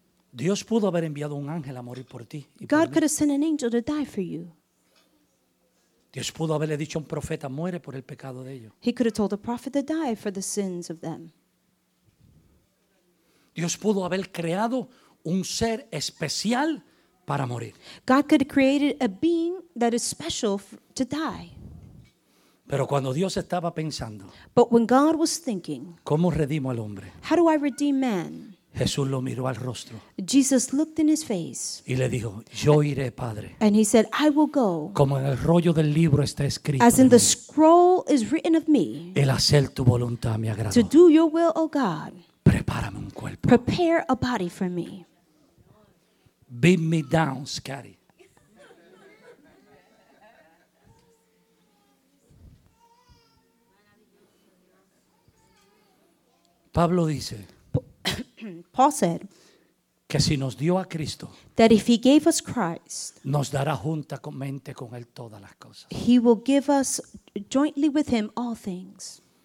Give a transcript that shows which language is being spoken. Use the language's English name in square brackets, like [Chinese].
[Spanish] Dios pudo haber enviado un ángel a morir por ti. [English] God could have sent an angel to die for you. [Spanish] Dios pudo haberle dicho a un profeta, muere por el pecado de ellos. [English] He could have told a prophet to die for the sins of them. [Spanish] Dios pudo haber creado un ser especial para morir. [English] God could have created a being that is special to die. [Spanish] Pero cuando Dios estaba pensando, [English] but when God was thinking, [Spanish] ¿cómo redimo al hombre? [English] How do I redeem man? [Spanish] Jesús lo miró al rostro. [English] Jesus looked in his face. [Spanish] Y le dijo, yo iré, Padre. [English] And he said, I will go. [Spanish] Como en el rollo del libro está escrito. [English] As in the scroll is written of me. [Spanish] El hacer tu voluntad me agradó. [English] To do your will, oh God. [Spanish] Prepárame un cuerpo. [English] Prepare a body for me. Beat me down, Scotty. [Spanish] Pablo dice, [English] Paul said, [Spanish] que si nos dio a Cristo, [English] that if he gave us Christ, [Spanish] nos dará juntamente con él todas las cosas. [English] He will give us jointly with him all things.